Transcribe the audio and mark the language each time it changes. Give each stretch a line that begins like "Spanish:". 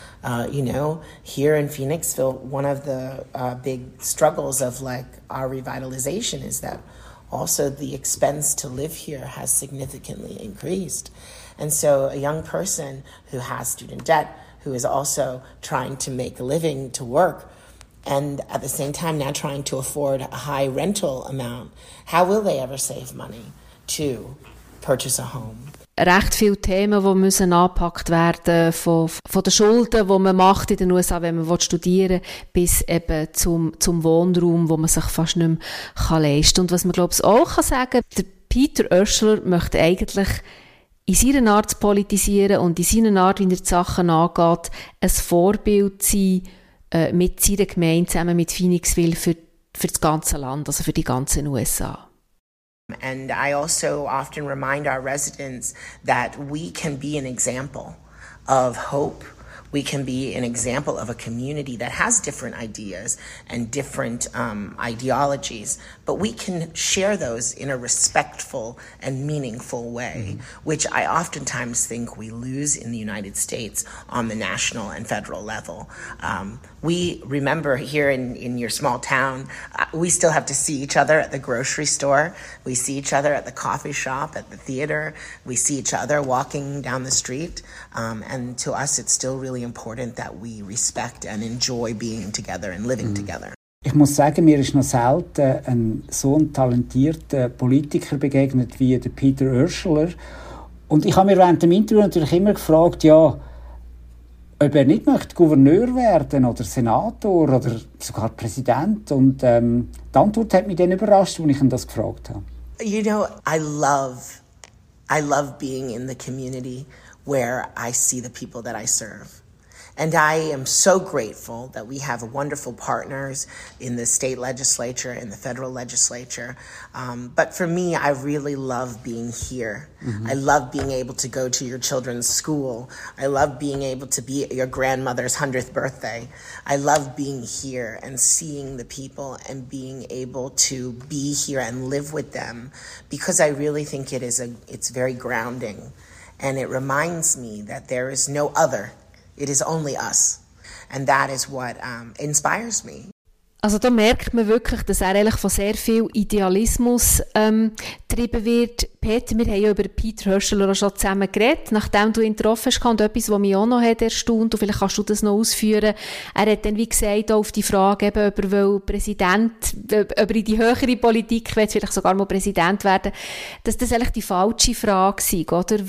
English: Here in Phoenixville, one of the big struggles of like our revitalization is that also the expense to live here has significantly increased. And so a young person who has student debt, who is also trying to make a living to work, and at the same time now trying to afford a high rental amount, how will they ever save money to purchase a home?
German: Recht viele Themen, die müssen angepackt werden, von den Schulden, die man macht in den USA, wenn man studieren will, bis eben zum Wohnraum, wo man sich fast nicht mehr leisten kann. Und was man, glaube ich, auch sagen kann, der Peter Oeschler möchte eigentlich in seiner Art zu politisieren und in seiner Art, wie er die Sachen angeht, ein Vorbild sein mit seiner Gemeinde zusammen mit Phoenixville für das ganze Land, also für die ganzen USA.
English: And I also often remind our residents that we can be an example of hope. We can be an example of a community that has different ideas and different ideologies, but we can share those in a respectful and meaningful way, which I oftentimes think we lose in the United States on the national and federal level. We remember here in your small town, we still have to see each other at the grocery store. We see each other at the coffee shop, at the theater. We see each other walking down the street. And to us, it's still really important that we respect and enjoy being together and living together. Ich muss sagen, mir ist noch selten ein so ein talentierter Politiker begegnet wie der Peter Oeschler. Und ich habe mir während dem Interview natürlich immer gefragt, ja, ob er nicht möchte Gouverneur werden oder Senator oder sogar Präsident. Und die Antwort hat mich dann überrascht, als ich ihn das gefragt habe. You know, I love being in the community where I see the people that I serve. And I am so grateful that we have wonderful partners in the state legislature, in the federal legislature. But for me, I really love being here. Mm-hmm. I love being able to go to your children's school. I love being able to be at your grandmother's 100th birthday. I love being here and seeing the people and being able to be here and live with them, because I really think it's very grounding. And it reminds me that there is no other. It is only us. And that is what inspires me.
German: Also da merkt man wirklich, dass er eigentlich von sehr viel Idealismus getrieben wird. Peter, wir haben ja über Peter Oeschler schon zusammen geredet, nachdem du ihn getroffen hast. Und etwas, was mich auch noch hat erstaunt, und vielleicht kannst du das noch ausführen. Er hat dann, wie gesagt, auf die Frage, eben, ob er Präsident, ob er in die höhere Politik will, vielleicht sogar mal Präsident werden, dass das eigentlich die falsche Frage war, oder?